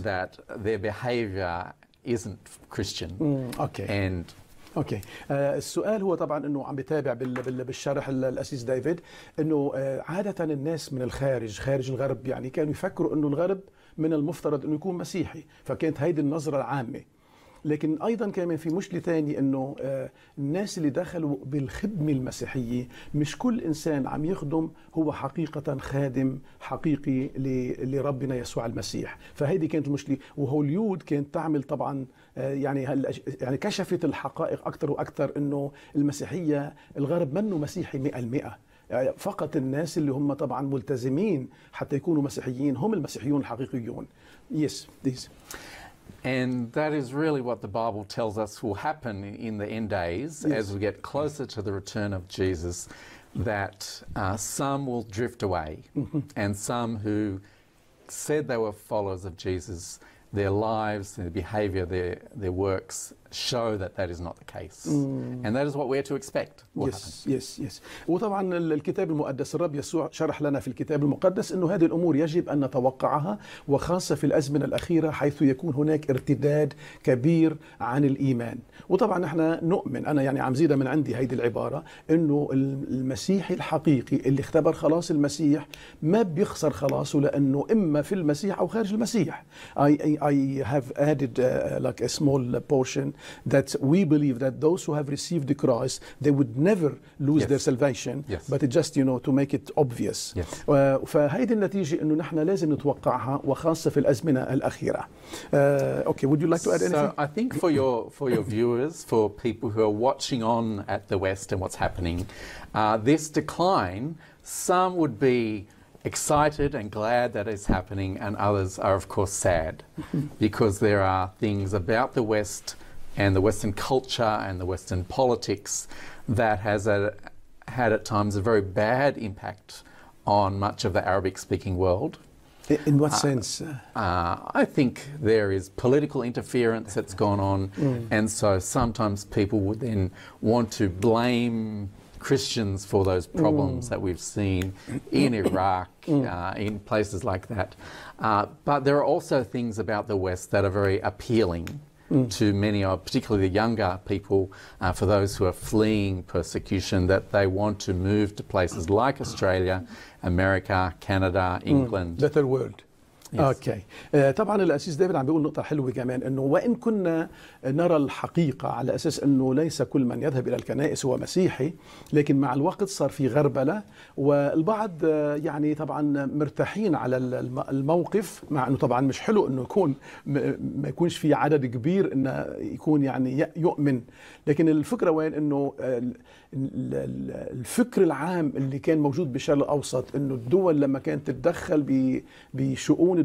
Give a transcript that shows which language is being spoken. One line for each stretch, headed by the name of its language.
English: that their behavior isn't Christian. Okay. And
Arabic: اوكي السؤال هو طبعا انه عم بتابع بالشرح الاسيس ديفيد انه عاده الناس من الخارج خارج الغرب يعني كانوا يفكروا انه الغرب من المفترض انه يكون مسيحي، فكانت هيدي النظره العامه. لكن ايضا كمان في مشكله ثانيه انه الناس اللي دخلوا بالخدمه المسيحيه مش كل انسان عم يخدم هو حقيقه خادم حقيقي لربنا يسوع المسيح، فهيدي كانت المشكله. وهوليود كانت تعمل طبعا يعني كشفت الحقائق اكثر واكثر انه المسيحيه الغرب منه مسيحي 100%، فقط الناس اللي هم طبعا ملتزمين حتى يكونوا مسيحيين هم المسيحيون الحقيقيون.
English: Yes these. And that is really what the Bible tells us will happen in the end days, yes, as we get closer to the return of Jesus, that some will drift away, mm-hmm, and some who said they were followers of Jesus, their lives, their behavior, their works show that that is not the case. And that is what we are to expect. Yes, yes, yes.
Arabic: وطبعا الكتاب المقدس الرب يسوع شرح لنا في الكتاب المقدس انه هذه الامور يجب ان نتوقعها، وخاصة في الازمنة الاخيرة حيث يكون هناك ارتداد كبير عن الايمان. وطبعا احنا نؤمن، انا يعني عم زيدها من عندي هذه العبارة، انه المسيحي الحقيقي اللي اختبر خلاص المسيح ما بيخسر خلاصه لانه اما في المسيح او خارج المسيح.
English: I have added like a small portion that we believe that those who have received the Christ, they would never lose, yes, their salvation, yes, but just, you know, to make it obvious.
Arabic: فهيدي النتيجة أنه نحن لازم نتوقعها وخاصة في الأزمنة الأخيرة.
English: Okay, would you like to add anything? So I think for your viewers, for people who are watching on at the West and what's happening, this decline, some would be excited and glad that it's happening, and others are of course sad because there are things about the West and the Western culture and the Western politics that has had at times a very bad impact on much of the Arabic speaking world. In what sense? I think there is political interference that's gone on, and so sometimes people would then want to blame Christians for those problems that we've seen in Iraq, in places like that. But there are also things about the West that are very appealing to many, particularly the younger people, for those who are fleeing persecution, that they want to move to places like Australia, America, Canada, England. The third world. Yes.
Arabic: اوكي طبعا الاسيس ديفيد عم بيقول نقطه حلوه كمان انه وان كنا نرى الحقيقه على اساس انه ليس كل من يذهب الى الكنائس هو مسيحي، لكن مع الوقت صار في غربله والبعض يعني طبعا مرتاحين على الموقف، مع انه طبعا مش حلو انه يكون ما يكونش في عدد كبير انه يكون يعني يؤمن، لكن الفكره وين انه الفكر العام اللي كان موجود بالشرق الاوسط انه الدول لما كانت تتدخل بشؤون